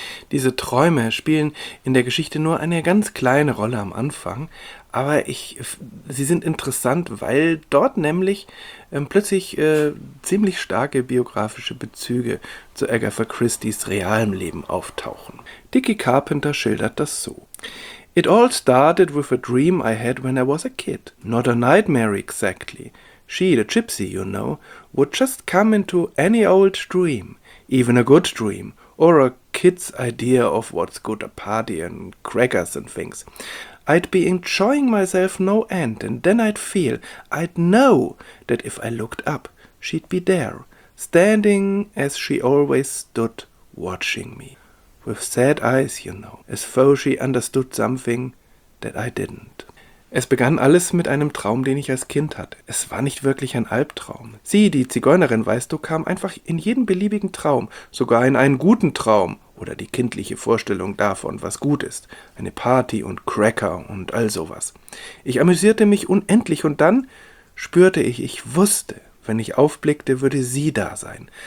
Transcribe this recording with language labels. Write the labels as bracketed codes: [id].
[de] Diese Träume spielen in der Geschichte nur eine ganz kleine Rolle am Anfang, aber sie sind interessant, weil dort nämlich plötzlich ziemlich starke biografische Bezüge zu Agatha Christies realem Leben auftauchen. Dickie Carpenter schildert das so. [en] It all started with a dream I had when I was a kid. Not a nightmare exactly. She, the gypsy, you know, would just come into any old dream, even a good dream, or a kid's idea of what's good, a party and crackers and things. I'd be enjoying myself no end, and then I'd feel, I'd know, that if I looked up, she'd be there, standing as she always stood, watching me. With sad eyes, you know, as though she understood something that I didn't. [de] Es begann alles mit einem Traum, den ich als Kind hatte. Es war nicht wirklich ein Albtraum. Sie, die Zigeunerin, weißt du, kam einfach in jeden beliebigen Traum, sogar in einen guten Traum oder die kindliche Vorstellung davon, was gut ist. Eine Party und Cracker und all sowas. Ich amüsierte mich unendlich und dann spürte ich, ich wusste, wenn ich aufblickte, würde sie da sein.